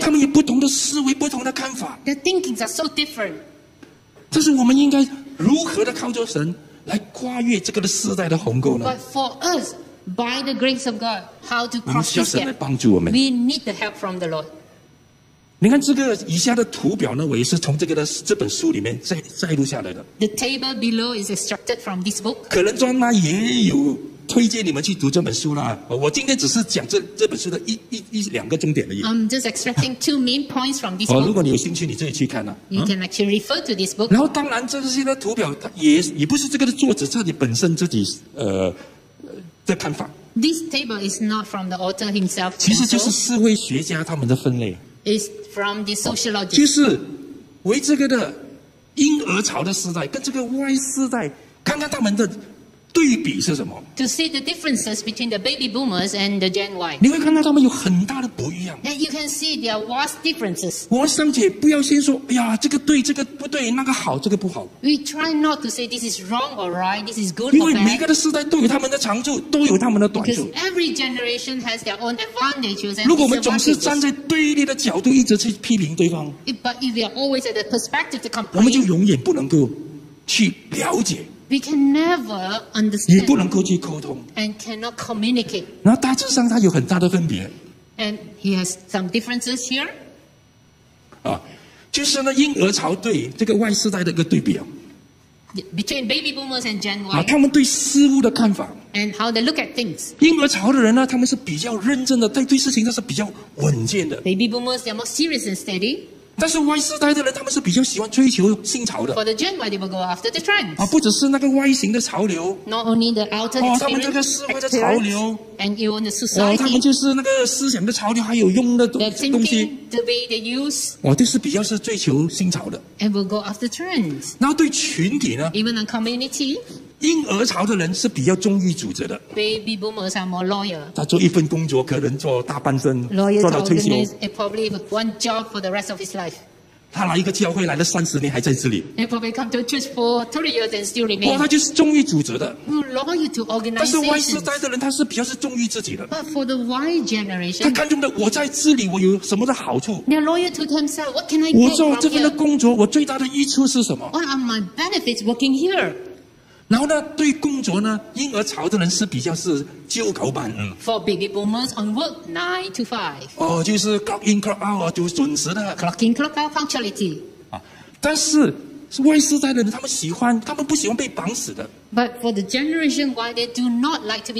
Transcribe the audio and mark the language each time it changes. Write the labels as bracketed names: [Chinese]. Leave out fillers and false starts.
[Chinese] 他们有不同的思维、不同的看法。 [English] Their thinkings are so different. [Chinese] 这是我们应该如何的靠着神来跨越这个的世代的鸿沟呢 [English] ？But for us, by the grace of God, how to cross this gap? [Chinese] 我们需要神来帮助我们。 [English] We need the help from the Lord. [Chinese] 你看这个以下的图表呢，我也是从这个的这本书里面摘录下来的。 [English] The table below is extracted from this book. [Chinese] 可能庄妈也有推荐你们去读这本书啦。我今天只是讲这本书的一两个重点而已。 [English] I'm just extracting two main points from this book. [Chinese] 如果你有兴趣，你自己去看啦。 [English] You can actually refer to this book. [Chinese] 然后当然这些的图表，也不是这个的作者自己本身自己的看法。 [English] This table is not from the author himself. [Chinese] 其实就是社会学家他们的分类。 [English] It's from the sociologist. [Chinese] 就是为这个的婴儿潮的时代跟这个 Y 世代，看看他们的。对比是什么 [English] ？To see the differences between the baby boomers and the Gen Y. [Chinese] 你会看到他们有很大的不一样。 [English] And you can see there are vast differences. [Chinese] 我们尚且不要先说，哎呀，这个对，这个不对，那个好，这个不好。 [English] We try not to say this is wrong or right, this is good or bad. [Chinese] 因为每个的世代都有他们的长处，都有他们的短处。 [English] Because every generation has their own advantages. [Chinese] 如果我们总是站在对立的角度一直去批评对方 [English] ，But if we are always at the perspective to complain, [Chinese] 我们就永远不能够去了解。 [English] We can never understand. [Chinese] 也不能够去沟通。 [English] And cannot communicate. [Chinese] 那大致上它有很大的分别。 [English] And he has some differences here. [Chinese] 啊，就是呢，婴儿潮对这个 Y 世代的一个对比啊。 [English] Between baby boomers and Gen Y. [Chinese] 啊，他们对事物的看法。 [English] And how they look at things. [Chinese] 婴儿潮的人呢，他们是比较认真的，对事情那是比较稳健的。 [English] Baby boomers are more serious and steady. [Chinese] 但是 Y 世代的人，他们是比较喜欢追求新潮的。 [English] For the Gen Y, they will go after the trends. [Chinese] 啊，不只是那个 Y 型的潮流。 [English] Not only the outer experience. [Chinese] 哦，他们这个社会的潮流。 [English] And even the society. [Chinese] 哦，他们就是那个思想的潮流，还有用的东西。 [English] The way they use. [Chinese] 哦，就是比较是追求新潮的。 [English] And will go after trends. [Chinese] 然后对群体呢 [English] ？Even a community. [Chinese] 婴儿潮的人是比较忠于组织的。 [English] Baby boomers are more loyal. [Chinese] 他做一份工作可能做大半生， [English] loyal、 [Chinese] 做到退休。 [English] Lawyer probably one job for the rest of his life. [Chinese] 他来一个教会来了三十年还在这里。 [English] He probably come to church for 30 years and still remain. [Chinese] 他就是忠于组织的。 [English] Loyal to organizations. [Chinese] 但是 Y 世代的人他是比较是忠于自己的。 [English] But for the Y generation. [Chinese] 他看中的我在这里我有什么的好处。 [English] They're loyal to themselves. What can I get from here? [Chinese] 我做这份的工作我最大的益处是什么？ [English] What are my benefits working here? [Chinese] 然后呢，对工作呢，婴儿潮的人是比较是旧狗版。 [English] For baby boomers on work 9 to 5。 [Chinese] 哦，就是 [English] clock in clock out [Chinese] 啊，就准时的。 [English] Clock in clock out punctuality。 [Chinese] 啊，但是 Y 世代的人，他们喜欢，他们不喜欢被绑死的。 [English] But for the generation Y, they do not like to be.